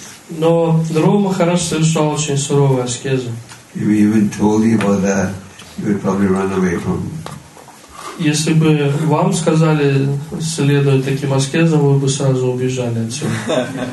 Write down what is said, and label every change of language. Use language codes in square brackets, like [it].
[ru] Но Дрова Махарадж совершал очень суровую аскезу. [en] If he even told you about that, you would probably run away from [ru] Если бы вам сказали следовать таким аскезам, вы бы сразу убежали отсюда.